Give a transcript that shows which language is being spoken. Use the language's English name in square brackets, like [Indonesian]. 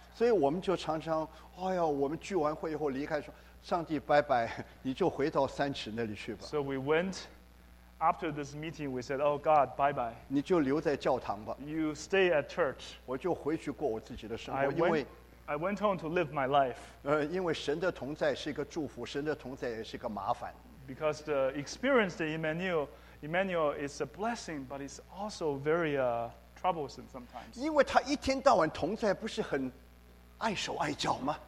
[Chinese] 所以我们就常常, 哎呀, 我们聚完会以后离开说, 上帝拜拜, 你就回到三尺那里去吧。 [English] So we went after this meeting, we said, oh God, bye-bye. [Chinese] 你就留在教堂吧。 [English] You stay at church. [Chinese] 我就回去过我自己的生活, 因为 [English] I went home to live my life. [Chinese] 因为神的同在是一个祝福, [English] because the experience that Emmanuel is a blessing, but it's also very troublesome sometimes. [Chinese] 因为他一天到晚同在不是很碍手碍脚吗?